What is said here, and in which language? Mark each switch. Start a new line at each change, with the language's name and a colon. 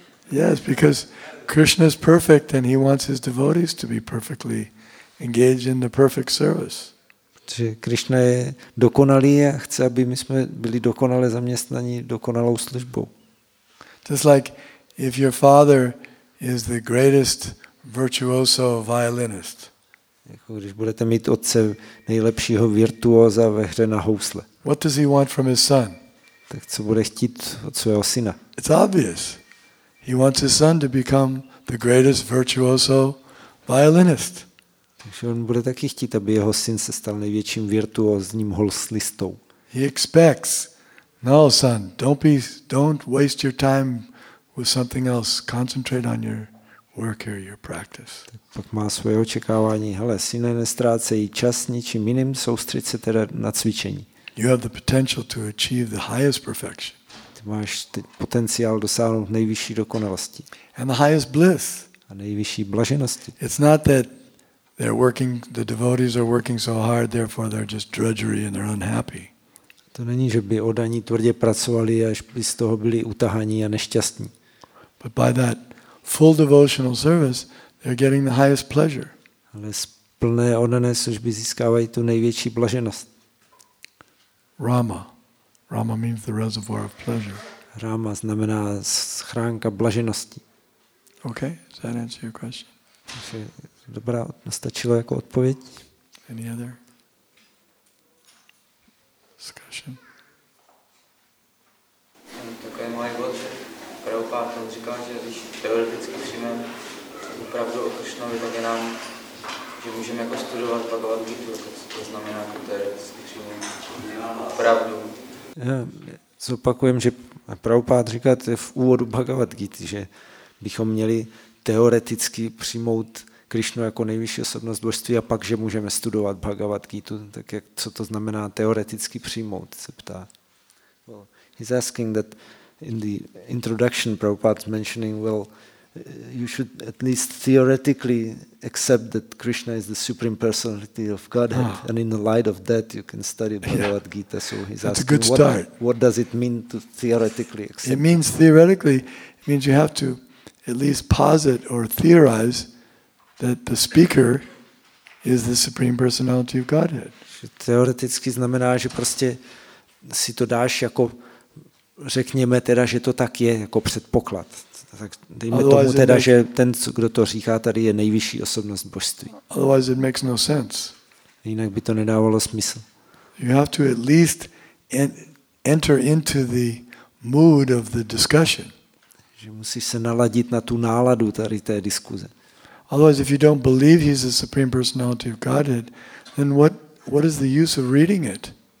English: Yes, because Krishna is perfect and he wants his devotees to be perfectly engaged in the perfect service.
Czech: Protože Krishna je dokonalý a chce, aby my jsme byli dokonale zaměstnaní dokonalou službou.
English: Just like if your father is the greatest virtuoso violinist.
Czech: Jako když budete mít otce nejlepšího virtuóza ve hře na housle.
English: What does he want from his son?
Czech: Tak co bude chtít od svého syna?
English: It's obvious. He wants his son to become the greatest virtuoso violinist.
Czech: Takže on bude taky chtít, aby jeho syn se stal největším virtuózním houslistou.
English: He expects, no son, don't waste your time with something else. Concentrate on your work here, your practice.
Czech: Tak pak má svoje očekávání. Hele, syne, nestrácej čas ničím jiným, soustřeď se teda na cvičení.
English: You have the potential to achieve the highest perfection.
Czech: Ty máš potenciál dosáhnout nejvyšší dokonalosti.
English: And the highest bliss.
Czech: A nejvyšší blaženosti.
English: It's not that they're working, the devotees are working so hard, therefore they're just drudgery and they're unhappy.
Czech: To není, že by oddaní tvrdě pracovali, až by z toho byli utahaní a nešťastní.
English: But by that full devotional service, they're getting the highest pleasure.
Czech: Ale z plné oddané služby získávají tu největší blaženost.
English: Rama. Rama means the reservoir of pleasure.
Czech: Rama znamená schránka blaženosti.
English: Okay, does that answer your question?
Czech: Dobrá, nastačilo jako odpověď?
English: Any other discussion?
Czech: Takový můj bod, že Prabhupád on říkal, že když teoreticky přijmeme tu pravdu o Krišnovi, tak je nám, že můžeme jako studovat Bhagavad Gita, to znamená, jako teoreticky přijmeme pravdu. Zopakujem, že Prabhupád říká, to je v úvodu Bhagavad Gita, že bychom měli teoreticky přijmout Krišnu jako nejvyšší osobnost božství a pak, že můžeme studovat Bhagavad Gita, tak jak, co to znamená teoreticky přijmout, se ptá.
English: Well, he's asking that in the introduction Prabhupada's mentioning, well, you should at least theoretically accept that Krishna is the supreme personality of Godhead, and in the light of that you can study Bhagavad Gita. So he's That's asking, a good start. What does it mean to theoretically accept? It means theoretically, it means you have to at least posit or theorize that the speaker is the supreme personality of Godhead.
Czech: Teoreticky znamená, že prostě si to dáš jako řekněme teda, že to tak je jako předpoklad. Tak dejme tomu teda, že ten, kdo to říká tady, je nejvyšší osobnost božství.
English: Otherwise it makes no sense.
Czech: Jinak by to nedávalo smysl.
English: You have to at least enter into the mood of the discussion.
Czech: Že musíš se naladit na tu náladu tady té diskuze.
English: Otherwise, if you don't believe he's the supreme personality of Godhead, then what is the use of reading it?